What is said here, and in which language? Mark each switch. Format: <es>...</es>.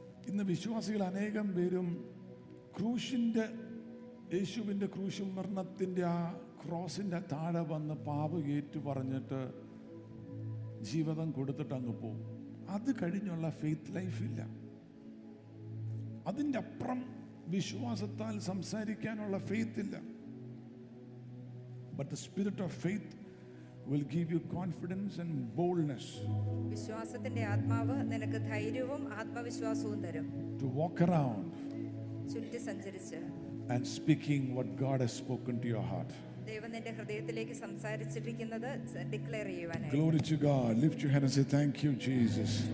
<ml>ഇന്ന് വിശ്വാസികൾ അനേകം പേരും ക്രൂശിന്റെ, യേശുവിന്റെ ക്രൂശ് മരണത്തിന്റെ ആ ക്രോസിന്റെ താഴെ വന്ന് പാപ ഏറ്റു പറഞ്ഞിട്ട് ജീവിതം കൊടുത്തിട്ട് അങ്ങ് പോകും. അത് കഴിഞ്ഞുള്ള ഫെയ്ത്ത് ലൈഫ് ഇല്ല. അതിൻ്റെ അപ്പുറം വിശ്വാസത്താൽ സംസാരിക്കാനുള്ള ഫെയ്ത്ത് ഇല്ല.</ml> <en>But the spirit of faith will give you confidence and boldness.</en> <ml>വിശ്വാസത്തിന്റെ ആത്മാവ് നിനക്ക് ധൈര്യവും ആത്മവിശ്വാസവും തരും.</ml> <en>To walk around.</en> <ml>ചുറ്റി സഞ്ചരിച്ച്.</ml> <en>And speaking what God has spoken to your heart.</en> <ml>ദൈവം നിന്റെ ഹൃദയത്തിലേക്ക് സംസാരിച്ചിരിക്കുന്നത് ഡിക്ലെയർ ചെയ്യുവാനായി.</ml> <en>Glory to God. Lift your hand and say thank you Jesus.</en>